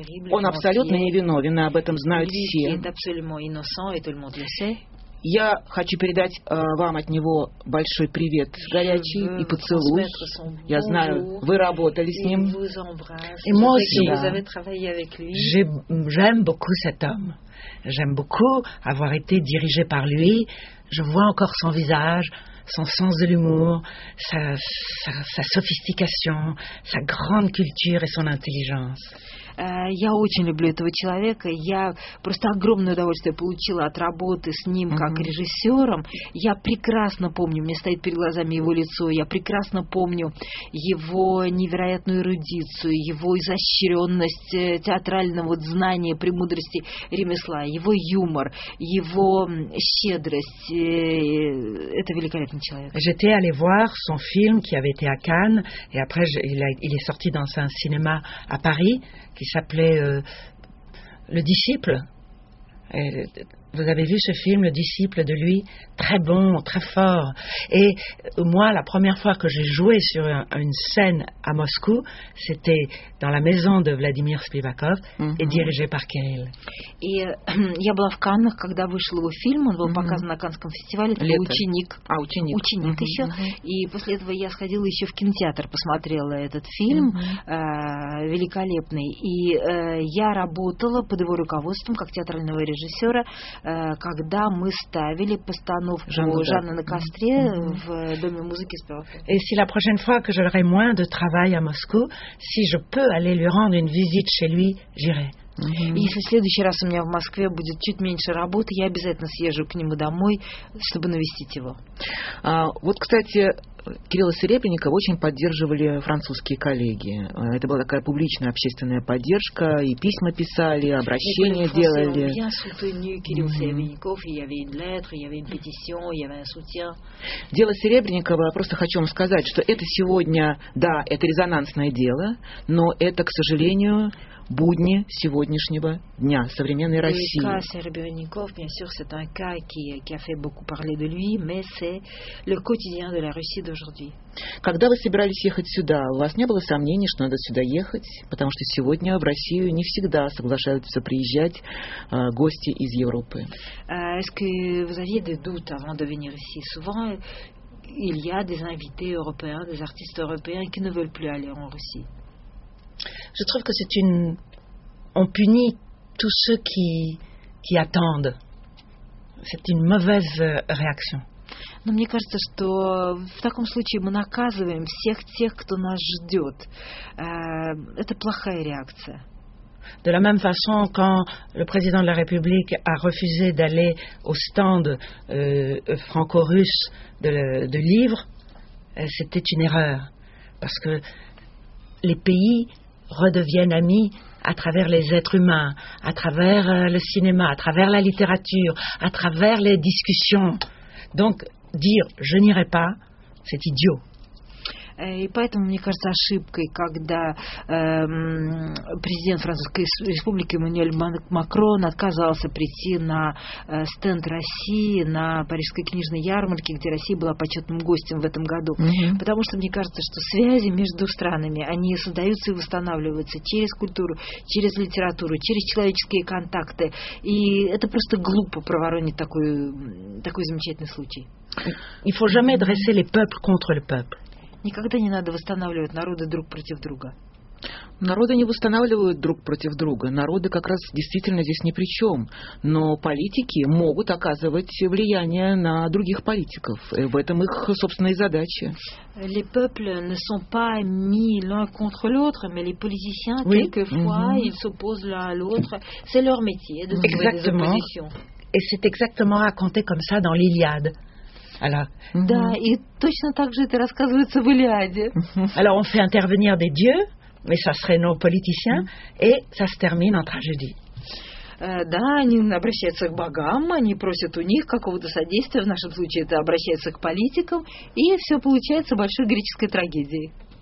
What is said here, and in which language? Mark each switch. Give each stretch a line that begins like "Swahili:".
Russian: Он абсолютно невиновен, об этом знают все. Я хочу передать вам от него большой привет, горячий, и поцелуй. Я знаю, вы работали с ним.
French: J'aime beaucoup cet homme. J'aime beaucoup avoir été dirigé par lui. je vois encore son visage, son sens de l'humour, sa sophistication, sa grande culture et son intelligence.
Russian: Я очень люблю этого человека. Я просто огромное удовольствие получила от работы с ним как режиссером. Я прекрасно помню, мне стоит перед глазами его лицо, я прекрасно помню его невероятную эрудицию, его изощренность театрального знания, премудрости ремесла, его юмор, его щедрость. Это великолепный человек.
French: J'étais allée voir son film qui avait été à Cannes, et après il est sorti dans un cinéma à Paris, qui s'appelait Le Disciple. Et vous avez vu ce film, Le Disciple, de lui, très bon, très fort. Et moi, la première fois que j'ai joué sur une scène à Moscou, c'était dans la maison de Vladimir Spivakov et dirigé par Kirill. Et
Russian: я была в Каннах, когда вышел его фильм, он был показан на Каннском фестивале, это ученик. А, ученик. Ученик еще. И после этого я сходила еще в кинотеатр, посмотрела этот фильм, великолепный. И я работала под его руководством как театрального режиссера, когда мы ставили постановку Жанны на костре в Доме музыки Спивакова.
French: Et si la prochaine fois que j'aurai moins de travail à Moscou, si je peux aller lui rendre une visite chez lui, j'irai.
Russian: Если в следующий раз у меня в Москве будет чуть меньше работы, я обязательно съезжу к нему домой, чтобы навестить его. Вот, кстати, Кирилла Серебренникова очень поддерживали французские коллеги. Это была такая публичная общественная поддержка, и письма писали, обращения делали. Я soutenu Кирилл Серебренников, и я вин лэтр, я вин петисион, я вин сутен. Дело Серебренникова, просто хочу вам сказать, что это сегодня, да, это резонансное дело, но это, к сожалению, будни сегодняшнего дня современной России.
French: Le cas Serebrennikov, bien sûr, c'est un cas qui a fait beaucoup parler de lui, mais c'est le quotidien de la Russie d'aujourd'hui.
Russian: Когда вы собирались ехать сюда, у вас не было сомнений, что надо сюда ехать, потому что сегодня в Россию не всегда соглашаются приезжать гости из Европы.
French: Est-ce que vous aviez des doutes avant de venir ici? Souvent, il y a des invités européens, des artistes européens qui ne veulent plus aller en Russie. Je trouve que c'est une... On punit tous ceux qui attendent. C'est une mauvaise réaction.
Russian: Но мне кажется, что в таком случае мы наказываем всех тех, кто нас ждет. Это плохая реакция.
French: De la même façon, quand le président de la République a refusé d'aller au stand franco-russe de livre, c'était une erreur. Parce que les pays... redeviennent amis à travers les êtres humains, à travers le cinéma, à travers la littérature, à travers les discussions. Donc, dire « je n'irai pas », c'est idiot.
Russian: И поэтому, мне кажется, ошибкой, когда президент Французской Республики Эммануэль Макрон отказался прийти на стенд России, на Парижской книжной ярмарке, где Россия была почетным гостем в этом году. Потому что мне кажется, что связи между странами, они создаются и восстанавливаются через культуру, через литературу, через человеческие контакты. И это просто глупо проворонить такой замечательный случай.
French: Il faut jamais dresser les peuples contre les peuples.
Russian: Никогда не надо восстанавливать народы друг против друга. Народы не восстанавливают друг против друга. Народы как раз действительно здесь ни при чем. Но политики могут оказывать влияние на других политиков. В этом их собственная задача.
French: Les peuples ne sont pas mis l'un contre l'autre, mais les politiciens, quelquefois, ils s'opposent l'un à l'autre. C'est leur métier de trouver des oppositions. Et c'est exactement raconté comme ça dans l'Iliade. Alors,
Russian: да, и точно так же это рассказывается в Илиаде.
French: Alors on fait intervenir des dieux, mais ça serait nos politiciens, et ça se termine en tragédie.
Russian: Да, они обращаются к богам, они просят у них какого-то содействия, в нашем случае это обращается к политикам, и все получается большой греческой трагедией.